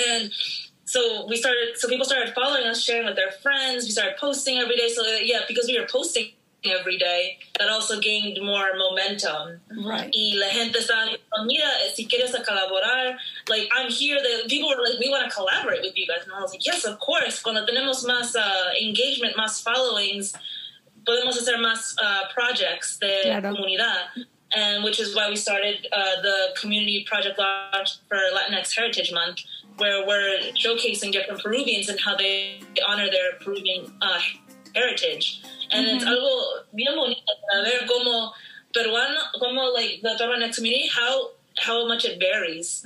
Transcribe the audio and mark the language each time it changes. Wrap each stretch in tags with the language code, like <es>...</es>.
<en>And so we started, so people started following us, sharing with their friends. We started posting every day. So, yeah, because we were posting every day, that also gained more momentum. Right.</en> <es>Y la gente estaba, mira, si quieres colaborar,</es> <en>like, I'm here. The people were like, we want to collaborate with you guys. And I was like, yes, of course.</en> <es>Cuando tenemos más engagement, más followings, podemos hacer más projects de claro. comunidad.</es> <en>And which is why we started the community project launch for Latinx Heritage Month, where we're showcasing different Peruvians and how they honor their Peruvian heritage. And mm-hmm. it's</en> <es>algo bien bonito ver como peruano, como,</es> <en>like, the Peruanex community, how much it varies.</en>